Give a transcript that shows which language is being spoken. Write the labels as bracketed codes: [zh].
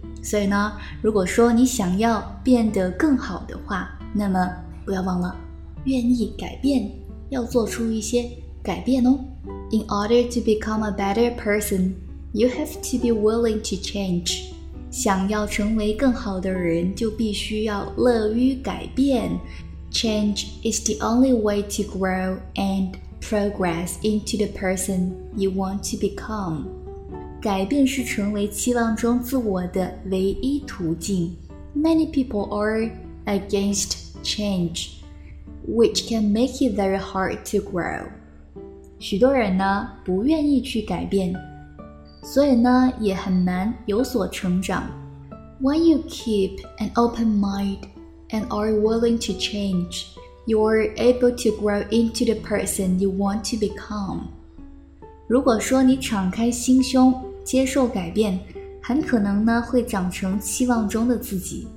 [zh] 所以呢如果说你想要变得更好的话那么不要忘了愿意改变要做出一些改变哦。 [en] In order to become a better person, you have to be willing to change. [zh] 想要成为更好的人就必须要乐于改变。 [en] Change is the only way to grow and progress into the person you want to become. [zh] 改变是成为期望中自我的唯一途径。 [en] Many people are against change, which can make it very hard to grow. [zh] 许多人呢不愿意去改变。所以呢也很难有所成长。 [en] When you keep an open mind and are willing to change, you are able to grow into the person you want to become. [zh] 如果说你敞开心胸接受改变很可能呢会长成期望中的自己。